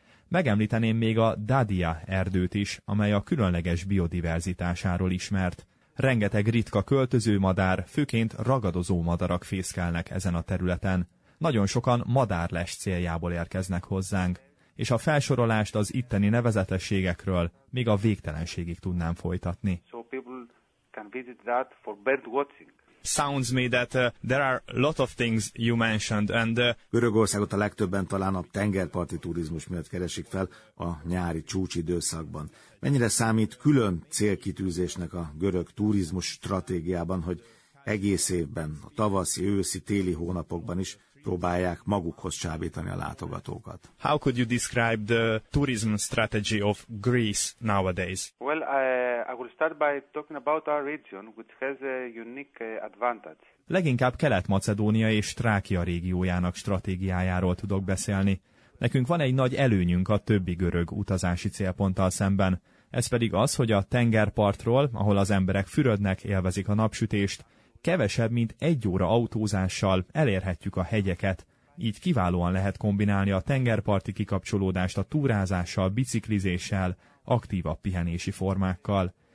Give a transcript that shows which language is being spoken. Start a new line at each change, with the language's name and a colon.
Hungarian: Megemlíteném még a Dadia erdőt is, amely a különleges biodiverzitásáról ismert. Rengeteg ritka költöző madár, főként ragadozó madarak fészkelnek ezen a területen. Nagyon sokan madárles céljából érkeznek hozzánk, és a felsorolást az itteni nevezetességekről még a végtelenségig tudnám folytatni.
English: So people can visit that for bird watching. Sounds me that there are lot of things you mentioned and
Hungarian: Görögországot a legtöbben talán a tengerparti turizmus miatt keresik fel a nyári csúcsidőszakban. Mennyire számít külön célkitűzésnek a görög turizmus stratégiában, hogy egész évben, a tavaszi, őszi, téli hónapokban is próbálják magukhoz csábítani a látogatókat?
English: How could you describe the tourism strategy of Greece nowadays? Well, I will start by talking about our region, which has a unique advantage.
Hungarian: Leginkább Kelet-Macedónia és Trákia régiójának stratégiájáról tudok beszélni. Nekünk van egy nagy előnyünk a többi görög utazási célponttal szemben. Ez pedig az, hogy a tengerpartról, ahol az emberek fürödnek, élvezik a napsütést, kevesebb, mint egy óra autózással elérhetjük a hegyeket, így kiválóan lehet kombinálni a tengerparti kikapcsolódást a túrázással, biciklizéssel, aktívabb pihenési formákkal.